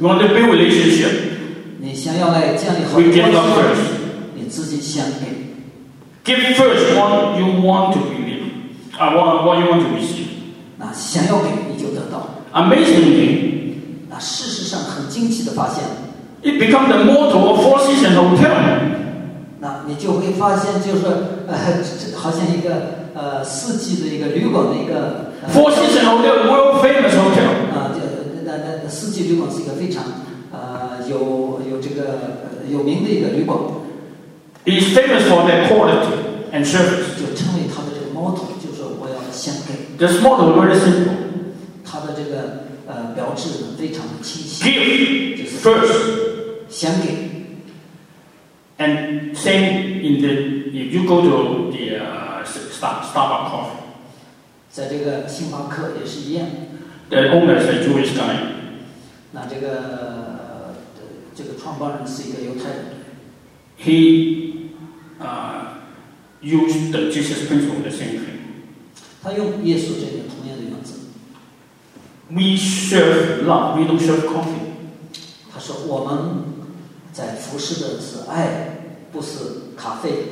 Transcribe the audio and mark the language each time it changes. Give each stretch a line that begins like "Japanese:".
English: You want to build relationship.
Chinese: 你想要来建立好的关系。
English: We give love first.
Chinese: 你自己先给。
English: Give first what you want to believe. What you want to receive.
Chinese: 那想要给你就得到。
English: Amazingly.
Chinese: 那事实上很惊奇的发现。
English: It becomes the motto of Four Seasons Hotel.
Chinese: 那你就会发现就是好像一个四季的一个旅馆的一个。
English: Four Seasons Hotel, world famous hotel.
Chinese: 四季旅馆是一个非常有这个有名的一个旅馆。
English: It's famous for their quality and service.
Chinese: 就称为它的这个 motto， 就是我要先给。
English: This motto is very simple.
Chinese: 它的这个标志非常的清晰。
English: Give,
Chinese: 就是
English: first，
Chinese: 先给。
English: And same in the if you go to the Starbucks coffee，
Chinese: 在这个星巴克也是一样。
English: The owner is a Jewish guy.
Chinese: 那这个创办人是一个犹太人。
English: He used the Jesus principle the same thing.
Chinese: 他用耶稣这个同样的原则。
English: We serve love, we don't serve coffee.
Chinese: 他说我们在服侍的是爱，不是咖啡。